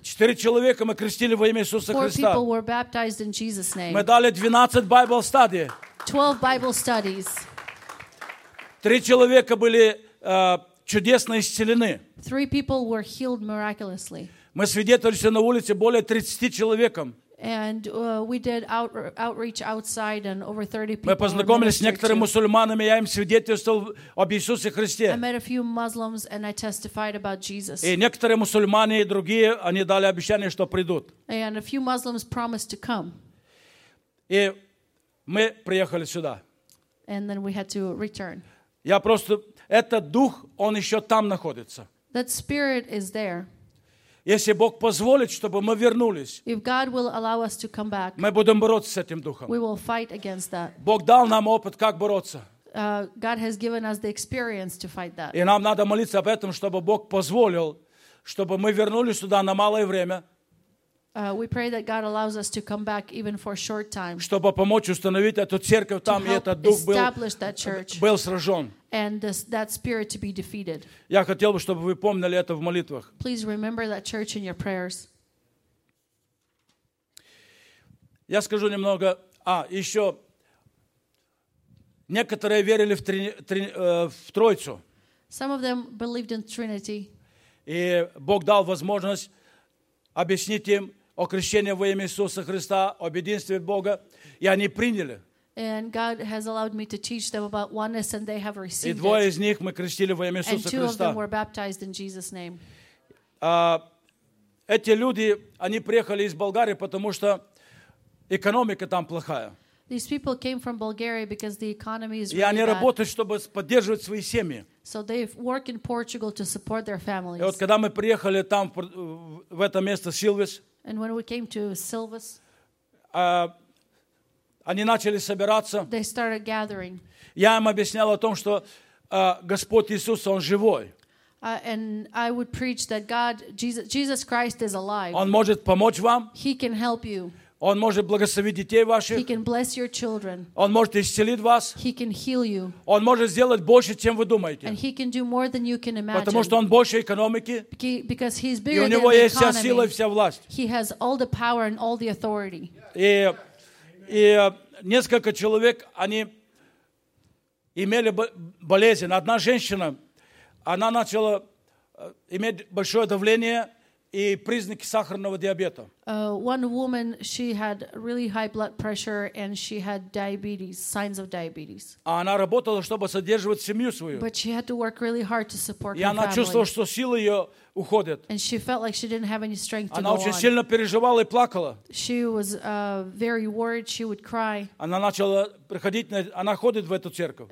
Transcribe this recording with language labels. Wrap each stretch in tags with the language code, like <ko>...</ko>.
<ru>4 человека мы крестили во имя Иисуса Христа.</ru> <en>4 people were baptized in Jesus' name.</en> <ru>Мы дали 12</ru> <en>Bible studies. 12 Bible studies.</en> <ru>3 человека были чудесно исцелены.</ru> <en>3 people were healed miraculously.</en> <ru>Мы свидетельствовали на улице более 30 человекам.</ru> <en>And we did outreach outside, and over 30 people.</en> <ru>Мы познакомились с некоторыми мусульманами, я им свидетельствовал об Иисусе Христе.</ru> <en>I met a few Muslims and I testified about Jesus.</en> <ru>И некоторые мусульмане и другие, они дали обещание, что придут.</ru> <en>And a few Muslims promised to come.</en> <ru>И мы приехали сюда.</ru> <en>And then we had to return.</en> <ru>Я просто этот дух, он еще там находится.</ru> <en>That spirit is there.</en> <ru>Если Бог позволит, чтобы мы вернулись,</ru> <en>if God will allow us to come back,</en> <ru>мы будем бороться с этим духом.</ru> <en>We will fight against that.</en> <ru>Бог дал нам опыт, как бороться.</ru> <en>God has given us the experience to fight that.</en> <ru>И нам надо молиться об этом, чтобы Бог позволил, чтобы мы вернулись сюда на малое время.</ru> <en>We pray that God allows us to come back even for a short time.</en> <ru>Чтобы помочь установить эту церковь там, и этот дух был сражен.</ru> <en>And that spirit to be defeated.</en> <ru>Я хотел бы, чтобы вы помнили это в молитвах.</ru> <en>Please remember that church in your prayers.</en> <ru>Я скажу немного. А еще некоторые верили в Троицу.</ru> <en>Some of them believed in Trinity.</en> <ru>И Бог дал возможность объяснить им о крещении во имя Иисуса Христа, об единстве Бога, и они приняли.</ru> <en>And God has allowed me to teach them about oneness, and they have received it.</en> <ru>И двое из них мы крестили во имя Иисуса Христа.</ru> <en>And two of them were baptized in Jesus' name.</en> <ru>Эти люди, они приехали из Болгарии, потому что экономика там плохая.</ru> <en>These people came from Bulgaria because the economy is really bad.</en> <ru>И они работают, чтобы поддерживать свои семьи.</ru> <en>So they work in Portugal to support their families.</en> <ru>И вот когда мы приехали там в это место Silves.</ru> <en>And when we came to Silves.</en> <ru>Они начали собираться.</ru> <en>They started gathering.</en> <ru>Я им объяснял о том, что Господь Иисус, Он живой.</ru> <en>And I would preach that God, Jesus Christ is alive.</en> <ru>Он может помочь вам.</ru> <en>He can help you.</en> <ru>Он может благословить детей ваших.</ru> <en>He can bless your children.</en> <ru>Он может исцелить вас.</ru> <en>He can heal you.</en> <ru>Он может сделать больше, чем вы думаете.</ru> <en>And he can do more than you can imagine.</en> <ru>Потому что он больше экономики.</ru> <en>Because he's bigger than economy.</en> <ru>И у него есть вся сила и вся власть.</ru> <en>He has all the power and all the authority.</en> <ru>И несколько человек, они имели болезнь. Одна женщина, она начала иметь большое давление и признаки сахарного диабета.</ru> <en>One woman, she had really high blood pressure and she had diabetes, signs of diabetes.</en> <ru>А она работала, чтобы содержать семью свою.</ru> <en>But she had to work really hard to support her family.</en> <ru>И она чувствовала, что силы ее уходят.</ru> <en>And she felt like she didn't have any strength to go on.</en> <ru>Она очень сильно переживала и плакала.</ru> <en>She was very worried, she would cry.</en> <ru>Она начала приходить, она ходит в эту церковь.</ru>